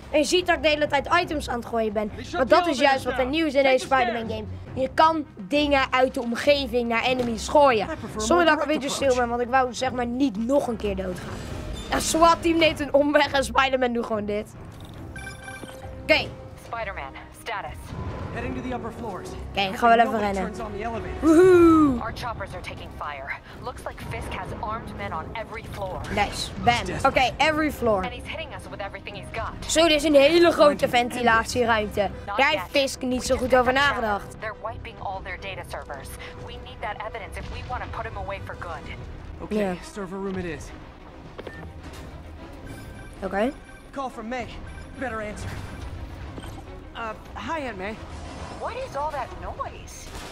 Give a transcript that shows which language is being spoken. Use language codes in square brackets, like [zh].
[nl] En je ziet dat ik de hele tijd items aan het gooien ben. Want dat is juist wat er nieuw is in deze Spider-Man game. Je kan dingen uit de omgeving naar enemies gooien. Sorry dat ik een beetje stil ben, want ik wou zeg maar niet nog een keer doodgaan. Een SWAT-team neemt een omweg en Spider-Man doet gewoon dit. Oké. [en] Spider-Man, status. Heading to the upper floors. Okay, go ahead and rennen. Woohoo! Our choppers are taking fire. Looks like Fisk has armed men on every floor. Nice. Bam. Okay, every floor. And he's hitting us with everything he's got. [nl] Zo, dit is een hele grote ventilatieruimte. Daar heeft Fisk niet zo goed over nagedacht. [en] They're wiping all their data servers. We need that evidence if we want to put him away for good. Okay, yeah. Server room it is. Okay. Call from May. Better answer. Hi, Aunt May. What is all that noise?